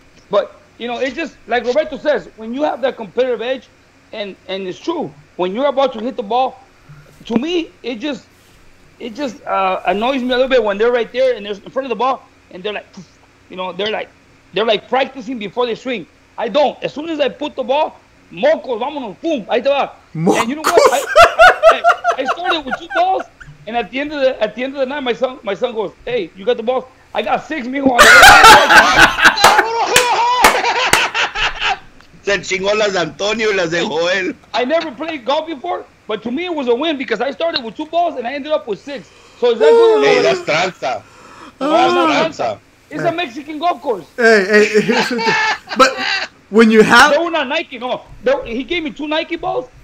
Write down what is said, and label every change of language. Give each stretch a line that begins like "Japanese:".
English: But, you know, it's just like Roberto says, when you have that competitive edge, and it's true, when you're about to hit the ball, to me, it just annoys me a little bit when they're right there and they're in front of the ball, and they're like, poof, you know, they're like practicing before they swing. I don't. As soon as I put the ball,
Spanish: mocos, vámonos,
English: boom,
Spanish: ahí te va.
English: And you know what? I started with two balls, and at the end of the night, my son goes, hey, you got the balls? I got six, mijo.
Spanish: Se chingó las Antonio y las de Joel.
English: I never played golf before, but to me, it was a win because I started with two balls, and I ended up with six. So is that good? Hey, that's tranza. It's a Mexican golf course. Hey, but when you have... No, not Nike, no. He gave me two Nike balls.